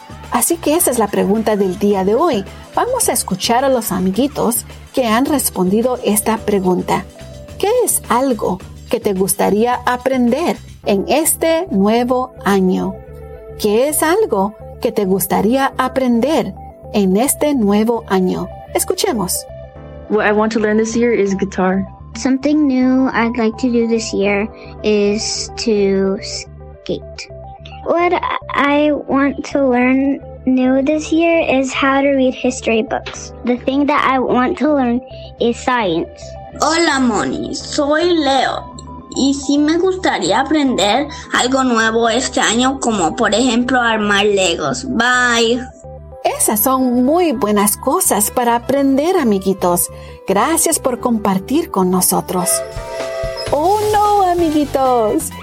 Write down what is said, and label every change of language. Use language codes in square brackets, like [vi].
[es] Así que esa es la pregunta del día de hoy. Vamos a escuchar a los amiguitos que han respondido esta pregunta. ¿Qué es algo que te gustaría aprender en este nuevo año? ¿Qué es algo que te gustaría aprender en este nuevo año? Escuchemos. [en] What I want to learn this year is guitar. Something new I'd like to do this year is to skate. What I want to learn new this year is how to read history books. The thing that I want to learn is science. [es] Hola, Moni. Soy Leo. Y sí me gustaría aprender algo nuevo este año, como por ejemplo armar Legos. [en] Bye. [es] Esas son muy buenas cosas para aprender, amiguitos. Gracias por compartir con nosotros. ¡Oh, no, amiguitos!